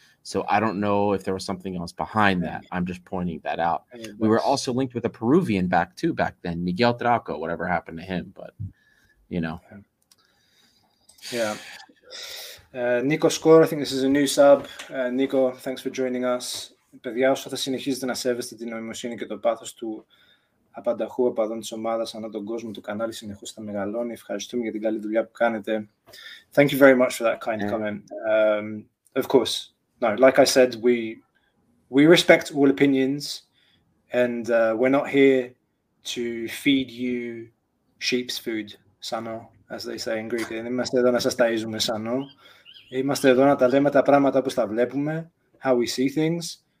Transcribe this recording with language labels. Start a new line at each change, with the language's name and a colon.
English: So I don't know if there was something else behind that. I'm just pointing that out. We were also linked with a Peruvian back too back then, Miguel Draco, whatever happened to him. But, you know. Yeah. Nico Score, I think this is a new sub. Nico, thanks for joining us.
Greek: Παιδιά, όσο θα συνεχίζετε να σέβεστε την νοημοσύνη και το πάθος του απανταχού οπαδών της ομάδας ανά τον κόσμο του κανάλι συνεχώς θα μεγαλώνει. Ευχαριστούμε για την καλή δουλειά που κάνετε.
English: Thank you very much for that kind comment. Of course. No, like I said, we respect all opinions and we're not here to feed you sheep's food, sano, as they say in Greek.
Greek: Δεν είμαστε εδώ να σας ταΐζουμε, σανό. Είμαστε εδώ να τα λέμε τα πράγματα όπως τα βλέπουμε,
English: how we see things.